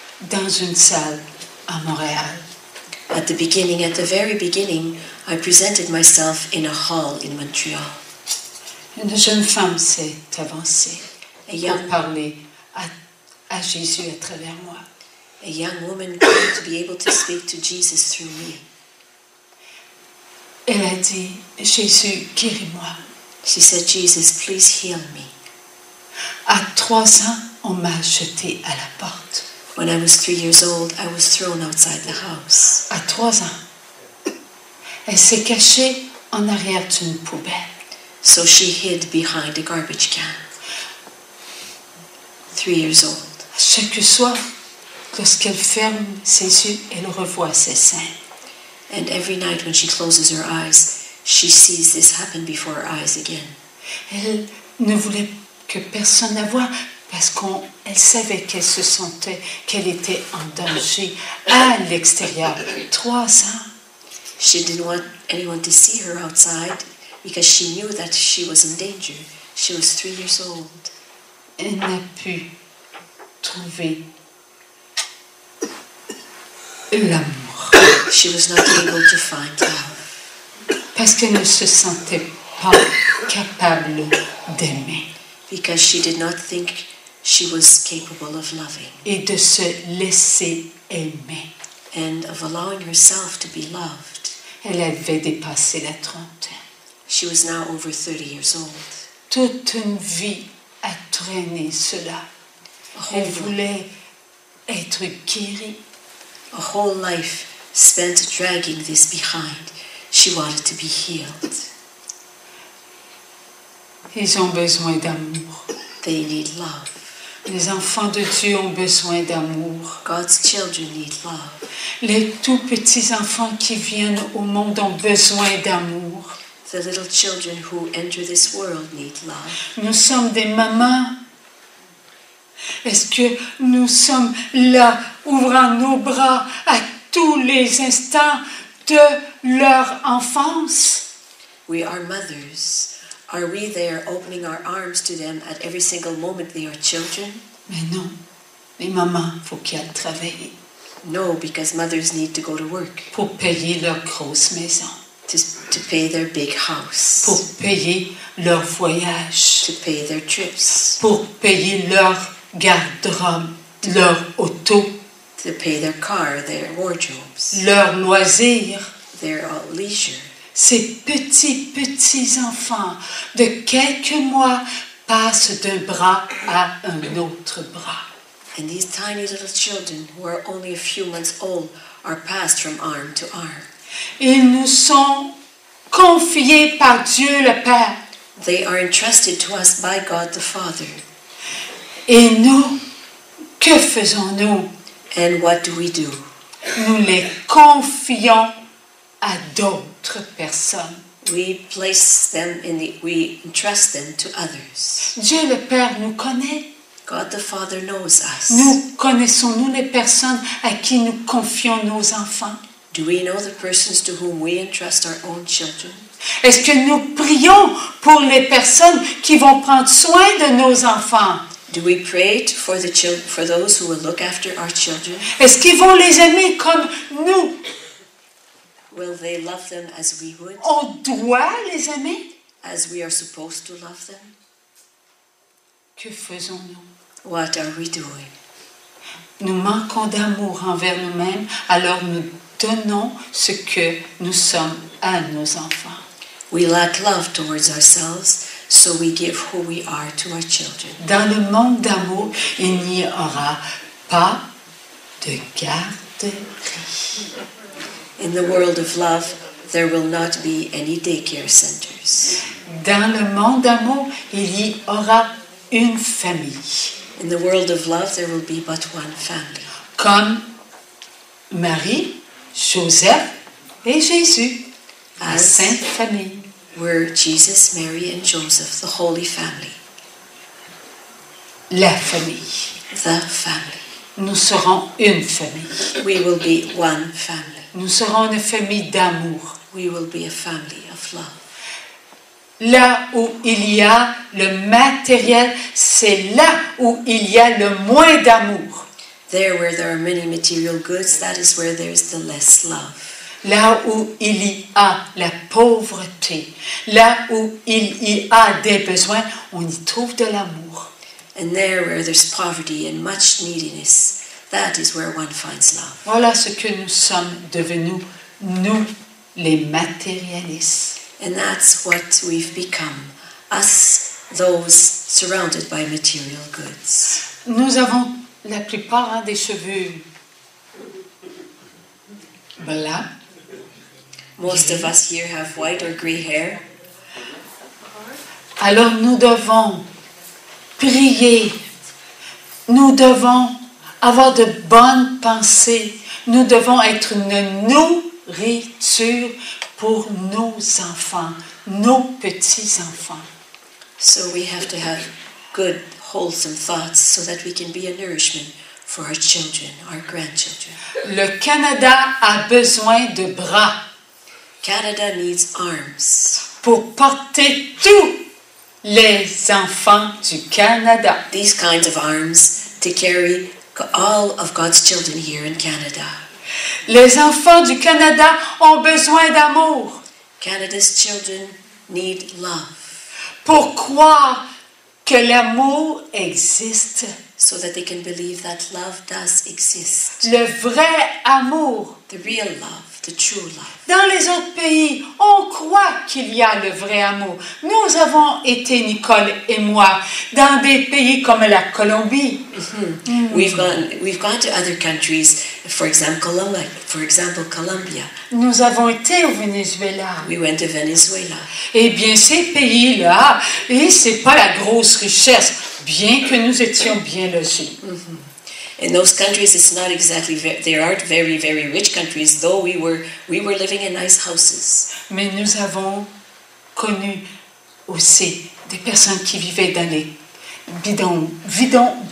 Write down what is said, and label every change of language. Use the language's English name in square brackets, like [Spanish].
[French] dans une salle à Montréal. [English] At the beginning, at the very beginning, I presented myself in a hall in Montreal. [French] Une jeune femme s'est avancée et a parlé à Jésus à travers moi. [English] A young woman came to be able to speak to Jesus through me. [French] Elle a dit, Jésus, guéris-moi. [English] She said, Jesus, please heal me. [French] À 3 ans, on m'a jeté à la porte. [English] When I was 3 years old, I was thrown outside the house. [French] À 3 ans, elle s'est cachée en arrière d'une poubelle. [English] So she hid behind a garbage can. 3 years old. [French] Chaque soir, lorsqu'elle ferme ses yeux, elle revoit ses seins. [English] And every night when she closes her eyes, she sees this happen before her eyes again. [French] Elle ne voulait que personne la voie parce qu'elle savait qu'elle se sentait, qu'elle était en danger à l'extérieur. 3 ans. [English] She didn't want anyone to see her outside because she knew that she was in danger. She was 3 years old. [French] Elle n'a pu trouver l'amour. [English] She was not able to find love. [French] Parce qu'elle ne se sentait pas capable d'aimer. [English] Because she did not think she was capable of loving. [French] Et de se laisser aimer. [English] And of allowing herself to be loved. [French] Elle avait dépassé la trentaine. [English] She was now over 30 years old. [French] Toute une vie a traîné cela. Elle voulait être guérie. [English] A whole life spent dragging this behind. She wanted to be healed. [French] Ils ont besoin d'amour. [English] They need love. [French] Les enfants de Dieu ont besoin d'amour. [English] God's children need love. [French] Les tout petits enfants qui viennent au monde ont besoin d'amour. [English] The little children who enter this world need love. [French] Nous sommes des mamans. Est-ce que nous sommes là ouvrant nos bras à tous les instants de leur enfance? [English] We are mothers. Are we there opening our arms to them at every single moment they are children? [French] Mais non. Les mamans, faut qu'elles travaillent. [English] No, because mothers need to go to work. [French] Pour payer leur grosse maison. [English] To pay their big house. [French] Pour payer leur voyage. [English] To pay their trips. [French] Pour payer leur garde-robe, leur auto. [English] To pay their car, their wardrobes. [French] Leurs loisirs. [English] Their leisure. [French] Ces petits, petits enfants de quelques mois passent d'un bras à un autre bras. [English] And these tiny little children who are only a few months old are passed from arm to arm. [French] Ils nous sont confiés par Dieu le Père. [English] They are entrusted to us by God the Father. [French] Et nous, que faisons-nous? [English] And what do we do? [French] Nous les confions à d'autres personnes. [English] We place them in the, we entrust them to others. [French] Dieu le Père nous connaît. [English] God the Father knows us. [French] Nous connaissons-nous les personnes à qui nous confions nos enfants? [English] Do we know the persons to whom we entrust our own children? [French] Est-ce que nous prions pour les personnes qui vont prendre soin de nos enfants? [English] Do we pray for the children, for those who will look after our children? [French] Est-ce qu'ils vont les aimer comme nous? [English] Will they love them as we would? [French] On doit les aimer? [English] As we are supposed to love them? [French] Que faisons-nous? [English] What are we doing? [French] Nous manquons d'amour envers nous-mêmes, alors nous donnons ce que nous sommes à nos enfants. [English] We lack love towards ourselves. So we give who we are to our children. [French] Dans le monde d'amour, il n'y aura pas de garderie. [English] In the world of love, there will not be any daycare centers. [French] Dans le monde d'amour, il y aura une famille. [English] In the world of love, there will be but one family. [French] Comme Marie, Joseph et Jésus, la sainte famille. [English] Were Jesus, Mary, and Joseph, the Holy Family. [French] La famille. [English] The family. [French] Nous serons une famille. [English] We will be one family. [French] Nous serons une famille d'amour. [English] We will be a family of love. [French] Là où il y a le matériel, c'est là où il y a le moins d'amour. [English] There where there are many material goods, that is where there is the less love. [French] Là où il y a la pauvreté, là où il y a des besoins, on y trouve de l'amour. [English] And there where there's poverty and much neediness, that is where one finds love. [French] Voilà ce que nous sommes devenus, nous les matérialistes. [English] And that's what we've become, us those surrounded by material goods. [French] Nous avons la plupart des cheveux blancs. [English] Most of us here have white or gray hair. [French] Alors nous devons prier. Nous devons avoir de bonnes pensées. Nous devons être une nourriture pour nos enfants, nos petits-enfants. [English] So we have to have good, wholesome thoughts so that we can be a nourishment for our children, our grandchildren. [French] Le Canada a besoin de bras. [English] Canada needs arms. [French] Pour porter tous les enfants du Canada. [English] These kinds of arms to carry all of God's children here in Canada. [French] Les enfants du Canada ont besoin d'amour. [English] Canada's children need love. [French] Pour croire que l'amour existe. [English] So that they can believe that love does exist. [French] Le vrai amour. [English] The real love. The true love. [French] Dans les autres pays, on croit qu'il y a le vrai amour. Nous avons été, Nicole et moi, dans des pays comme la Colombie. [English] We've gone to other countries, for example, Colombia. [French] Nous avons été au Venezuela. [English] We went to Venezuela. [French] Eh bien, ces pays-là, et c'est pas la grosse richesse, bien que nous étions bien logés. [English] In those countries, it's not exactly, they aren't very, very rich countries, though we were living in nice houses. [French] Mais nous avons connu aussi des personnes qui vivaient dans les bidonvilles.